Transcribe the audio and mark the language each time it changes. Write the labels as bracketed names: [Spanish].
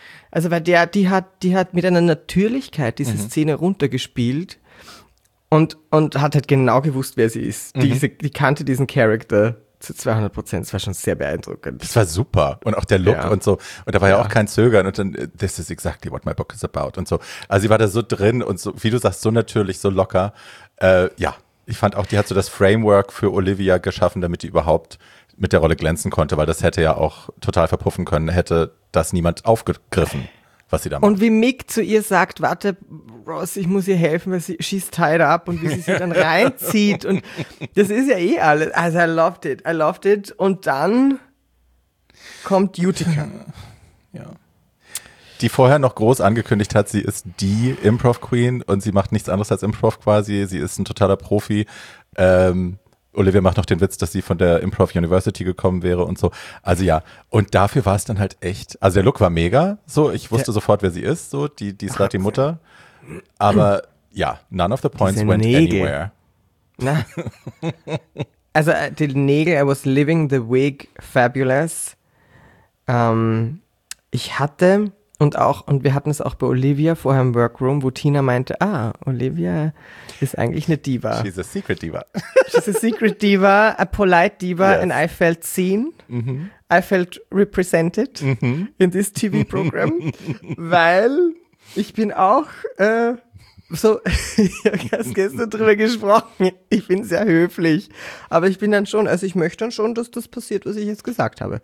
[German] Also weil die hat mit einer Natürlichkeit diese Szene runtergespielt und hat halt genau gewusst, wer sie ist. Die kannte diesen Charakter zu 200%. Das war schon sehr beeindruckend. Das war super. Und auch der Look und so. Und da war ja auch kein Zögern. Und dann, [English] this is exactly what my book is about. [German] Und so. Also sie war da so drin und so, wie du sagst, so natürlich, so locker. Ich fand auch, die hat so das Framework für Olivia geschaffen, damit die überhaupt mit der Rolle glänzen konnte, weil das hätte ja auch total verpuffen können, hätte das niemand aufgegriffen, was sie da macht. Und wie Mick zu ihr sagt, warte, Ross, ich muss ihr helfen, weil sie [English] she's tied up [German] und wie sie sie dann reinzieht und das ist ja eh alles. Also [English] I loved it. [German] Und dann kommt Utica. Ja. Die vorher noch groß angekündigt hat, sie ist die Improv-Queen und sie macht nichts anderes als Improv quasi. Sie ist ein totaler Profi. Olivia macht noch den Witz, dass sie von der Improv University gekommen wäre und so. Also ja, und dafür war es dann halt echt, also der Look war mega, so, ich wusste sofort, wer sie ist, so, die ist gerade die Mutter. Aber ja, [English] none of the points went anywhere. [German] Na. Also die Nägel, [English] I was living the wig fabulous. [German] Ich hatte, und wir hatten es auch bei Olivia vorher im Workroom, wo Tina meinte, Olivia ist eigentlich eine Diva. [English] She's a secret Diva. She's a secret Diva, a polite Diva, yes. And I felt seen. [German] Mm-hmm. [English] I felt represented in this TV program, [German] weil ich bin auch so, ich habe gestern drüber gesprochen, ich bin sehr höflich, aber ich bin dann schon, also ich möchte dann schon, dass das passiert, was ich jetzt gesagt habe.